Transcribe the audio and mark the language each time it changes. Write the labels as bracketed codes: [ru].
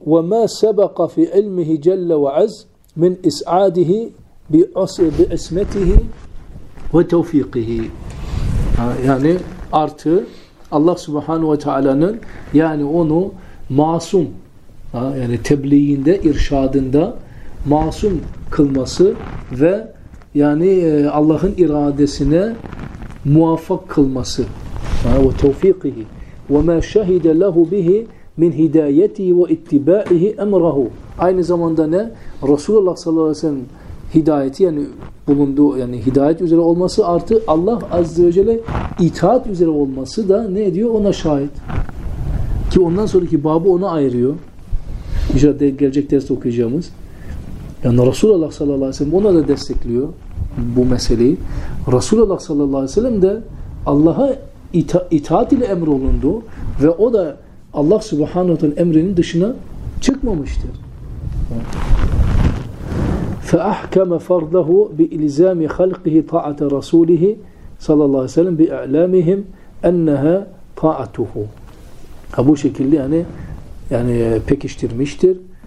[ar] وَمَا سَبَقَ فِي اِلْمِهِ جَلَّ وَعَزْ مِنْ اِسْعَادِهِ بِاسْمَتِهِ وَتَوْفِقِهِ [tr] Yani artı Allah Subhanahu ve Teala'nın, yani onu masum, yani tebliğinde, irşadında masum kılması ve yani Allah'ın iradesine muvaffak kılması. [ar] وَتَوْفِقِهِ وَمَا شَهِدَ لَهُ بِهِ مِنْ هِدَايَتِهِ وَاِتِّبَائِهِ اَمْرَهُ [tr] Aynı zamanda ne? Resulullah sallallahu aleyhi ve sellem hidayeti, yani bulunduğu, yani hidayet üzere olması, artı Allah azze ve celle itaat üzere olması da ne diyor? Ona şahit. Ki ondan sonraki babı ona ayırıyor. İnşallah gelecek derste okuyacağımız. Yani Resulullah sallallahu aleyhi ve sellem ona da destekliyor bu meseleyi. Resulullah sallallahu aleyhi ve sellem de Allah'a itaat ile emrolundu ve o da Allah Subhanahu ve Teala'nın emrinin dışına çıkmamıştır. [ar] فَأَحْكَمَ فَرْضَهُ بِإِلْزَامِ خَلْقِهِ طَاعَةَ رَسُولِهِ صَلَى اللّٰهِ وَسَلَمْ بِإِعْلَامِهِمْ اَنَّهَا طَاعَتُهُ [tr] Ha, bu şekilde yani pekiştirmiştir.